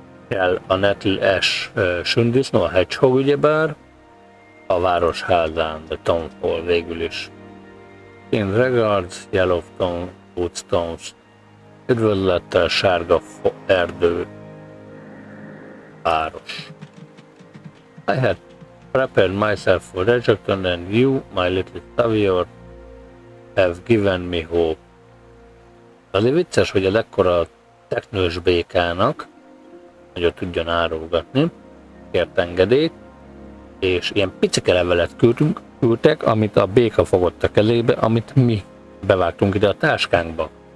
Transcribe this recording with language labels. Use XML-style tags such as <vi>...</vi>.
<hu>kell a Nettle Ash sündisznó, a Hedgehog ugyebár, a városházán, de Tom Fall végül is.</hu> <en>In regards,</en> <hu>Yellowstone, Woodstones, üdvözlettel, sárga erdő, város.</hu> <en>I had prepared myself for rejection and you, my little savior, have given me hope.</en> <hu>Azért vicces, hogy a lekkora teknős békának, hogy ott tudjon árulgatni, kért engedélyt, és ilyen picike levelet küldtek, amit a béka fogott a kezébe, amit mi bevágtunk ide a táskánkba.</hu>